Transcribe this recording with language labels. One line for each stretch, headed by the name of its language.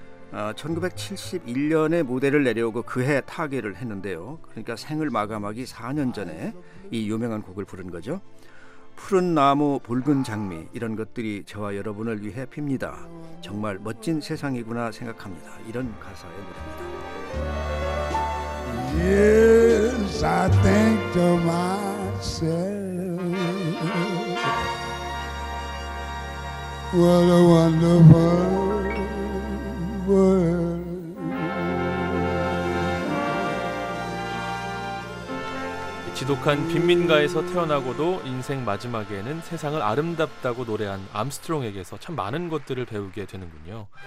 Korean: 1971년에 무대를 내려오고 그해 타계를 했는데요. 그러니까 생을 마감하기 4년 전에 이 유명한 곡을 부른 거죠. 푸른 나무, 붉은 장미, 이런 것들이 저와 여러분을 위해 핍니다. 정말 멋진 세상이구나 생각합니다. 이런 가사의 노래입니다.
English: Yes, I think to myself, what a wonderful world.
Korean: 지독한 빈민가에서 태어나고도 인생 마지막에는 세상을 아름답다고 노래한 암스트롱에게서 참 많은 것들을 배우게 되는군요.